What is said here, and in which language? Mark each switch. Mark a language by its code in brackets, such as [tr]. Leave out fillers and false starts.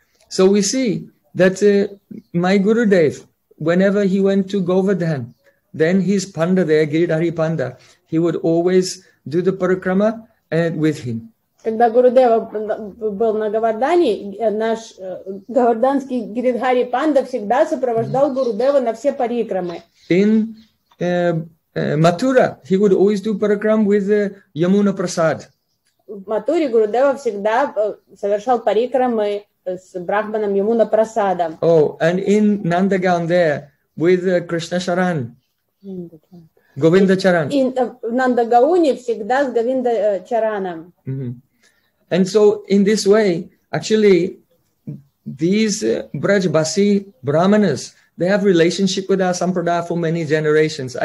[en] So we see that my Gurudev, whenever he went to Govardhan, then his panda there, Giridhari panda, he would always do the parikrama with him. [ru] Когда Гурудева был на Говардане, наш говарданский Гиридхари Панда всегда сопровождал Гурудева на все парикрамы. [en] In Mathura, he would always do parikram with Yamuna Prasad. [ru] В Матуре Гурудева всегда совершал парикрамы с брахманом Ямуна Прасадом. [en] Oh, and in Nandagaon there with Krishna Charan. Govinda Charan. [ru] In Nandagauni всегда с Говинда Чараном. Mm-hmm. [en] And so, in this way, actually, these Brajbasi Brahmanas, they have relationship with our Sampradaya for many generations.